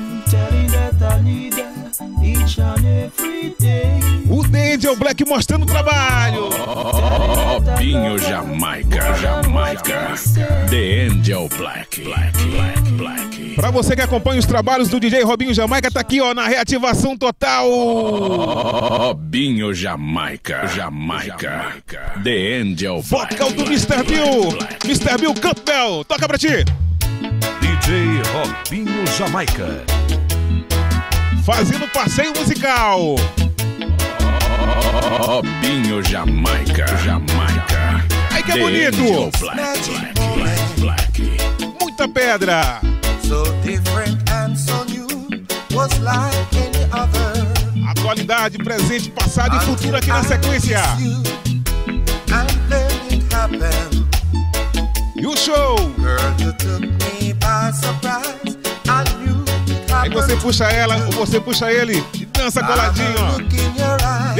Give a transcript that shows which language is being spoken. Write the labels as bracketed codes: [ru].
[en] Telling that I need her each and every day. [pt] O Angel Black mostrando o trabalho. Robinho Jamaica, Jamaica. The Angel Black, Black, Black, Black. Pra você que acompanha os trabalhos do DJ Robinho Jamaica, tá aqui, ó, na reativação total. Robinho Jamaica, Jamaica. The Angel Black. Vodka do Mr. Bill. Mr. Bill Campbell, toca pra ti. DJ Robinho Jamaica. Fazendo passeio musical. Robinho Jamaica, Jamaica. Aí que é bonito. Black, black, black, black, black. Muita pedra. [en] So different and so new. Was like any other. [pt] Atualidade, presente, passado e futuro aqui na sequência. [en] And then it happened. [pt] E o show. [en] Girl, you took me by surprise. [pt] Aí você puxa ela, ou você puxa ele, e dança coladinho, ó.